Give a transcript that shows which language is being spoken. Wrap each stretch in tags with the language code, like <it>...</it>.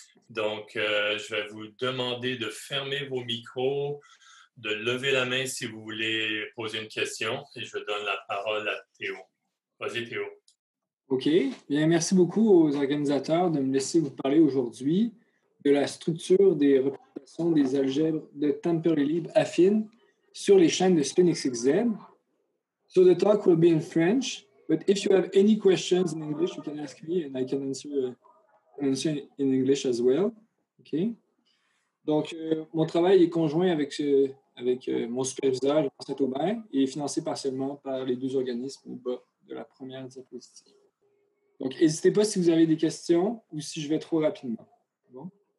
<fr>Donc, je vais vous demander de fermer vos micros, de lever la main si vous voulez poser une question et je donne la parole à Théo. Vas-y, Théo. OK. Bien, merci beaucoup aux organisateurs de me laisser vous parler aujourd'hui de la structure des représentations des algèbres de Temperley-Lieb affine sur les chaînes de SpinXXZ.</fr> <en>So the talk will be in French, but if you have any questions in English, you can ask me and I can answer in English as well. Okay.</en> <fr>Donc, mon travail est conjoint avec mon superviseur, Jean-Saint Aubin, et est financé partiellement par les deux organismes au bas de la première diapositive. Donc, n'hésitez pas si vous avez des questions ou si je vais trop rapidement. Bon.</fr>